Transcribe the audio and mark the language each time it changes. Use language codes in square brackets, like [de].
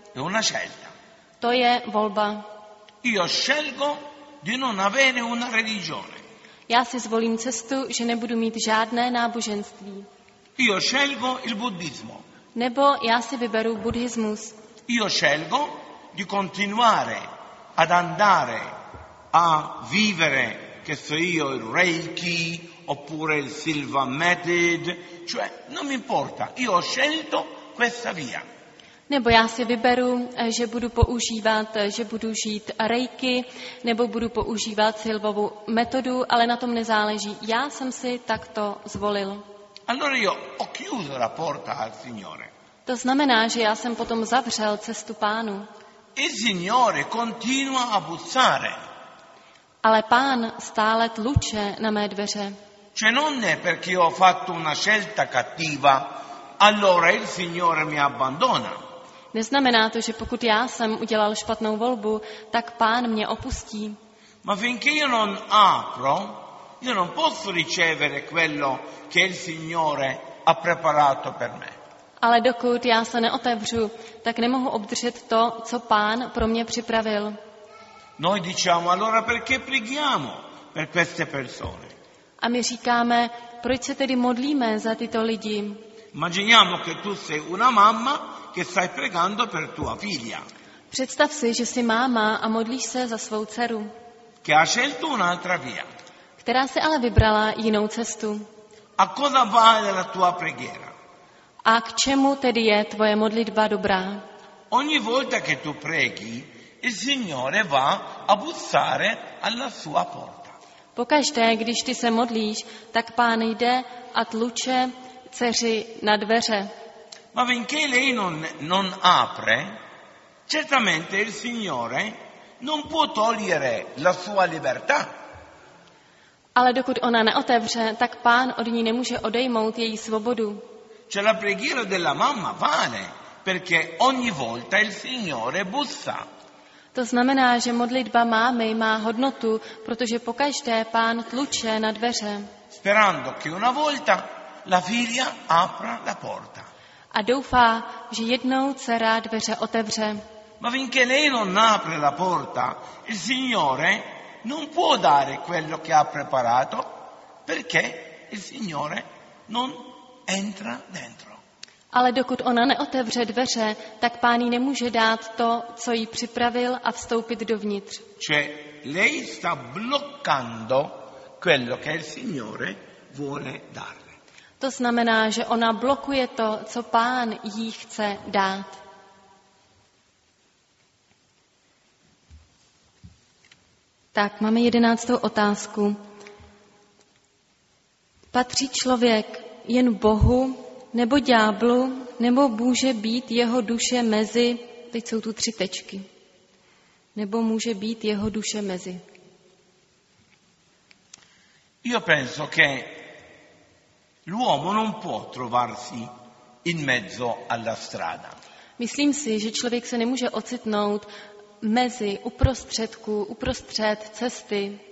[it] È una scelta. [cs] To je volba. [it] Io scelgo di non avere una religione. [cs] Já si zvolím cestu, že nebudu mít žádné náboženství. [it] Io scelgo il buddismo. [cs] Nebo já si vyberu buddhismus. [it] Io scelgo di continuare ad andare a vivere, che so io, il Reiki oppure il Silva Method, cioè non mi importa, io ho scelto questa via. [cs] Nebo já si vyberu, že budu používat, že budu žít Reiki, nebo budu používat Silvovu metodu, ale na tom nezáleží. Já jsem si takto zvolil. [it] Allora io ho chiuso la porta al Signore. [cs] To znamená, že já jsem potom zavřel cestu pánu. [it] Il Signore continua a bussare. [cs] Ale pán stále tluče na mé dveře. [it] Cioè non è perché ho fatto una scelta cattiva, allora il Signore mi abbandona. [cs] Neznamená to, že pokud já jsem udělal špatnou volbu, tak pán mě opustí. [it] Ma finché io non apro, io non posso ricevere quello che il Signore ha preparato per me. [cs] Ale dokud já se neotevřu, tak nemohu obdržet to, co pán pro mě připravil. [it] Noi diciamo, allora perché preghiamo per queste persone? [cs] A my říkáme, proč se tedy modlíme za tyto lidi? [it] Immaginiamo che tu sei una mamma che stai pregando per tua figlia. [cs] Představ si, že jsi máma a modlíš se za svou dceru. [it] Che ha scelto un'altra via. [cs] Která si ale vybrala jinou cestu. [it] A cosa vale la tua preghiera? [cs] A k čemu tedy je tvoje modlitba dobrá? [it] Ogni volta che tu preghi, il Signore va a bussare alla sua porta. [cs] Pokaždé, když ty se modlíš, tak pán jde a tluče dceři na dveře. [it] Ma finché lei non apre, certamente il Signore non può togliere la sua libertà. [cs] Ale dokud ona neotevře, tak pán od ní nemůže odejmout její svobodu. [it] C'è la preghiera della mamma vale, perché ogni volta il Signore bussa. [cs] To znamená, že modlitba mámy má hodnotu, protože pokaždé pán tluče na dveře. [it] Sperando che una volta la figlia apra la porta. [cs] A doufá, že jednou dcera dveře otevře. [it] Ma finché lei non apre la porta, il Signore non può dare quello che ha preparato, perché il Signore non entra dentro. [cs] Ale dokud ona neotevře dveře, tak pán jí nemůže dát to, co jí připravil, a vstoupit dovnitř. [it] Cioè, lei sta bloccando quello che il Signore vuole dare. [cs] To znamená, že ona blokuje to, co pán jí chce dát. Tak, máme 11. otázku. Patří člověk jen Bohu nebo ďáblu, nebo může být jeho duše mezi, teď jsou tu tři tečky, nebo může být jeho duše mezi. [it] Io penso che l'uomo non può trovarsi in mezzo alla strada. [cs] Myslím si, že člověk se nemůže ocitnout mezi uprostředku, uprostřed cesty.